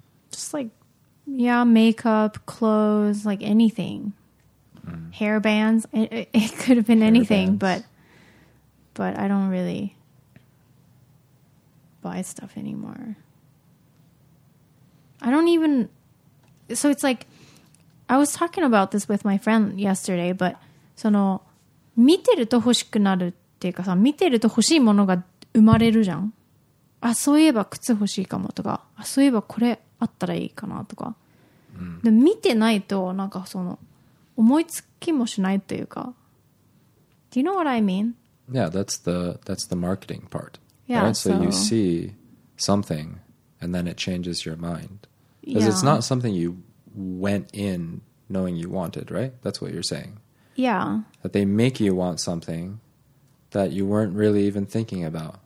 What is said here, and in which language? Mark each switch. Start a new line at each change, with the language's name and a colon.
English: Just like Yeah, makeup, clothes, like anything. Hair bands. It could have been hair anything, bands. But I don't really buy stuff anymore. I don't even... So it's like... I was talking about this with my friend yesterday, but...
Japanese: その見てると欲しくなるっていうかさ、見てると欲しいものが生まれるじゃん。あ、そういえば靴欲しいかもとか、あ、そういえばこれあったらいいかなとか。で、見てないと、なんかその、思いつきもしないというか。
English: Do you know what I mean? Yeah, that's the marketing part. Yeah, right? So you see something and then it changes your mind. Because yeah. It's not something you went in knowing you wanted, right? That's what you're saying. Yeah. That they make you want something that you weren't really even thinking about.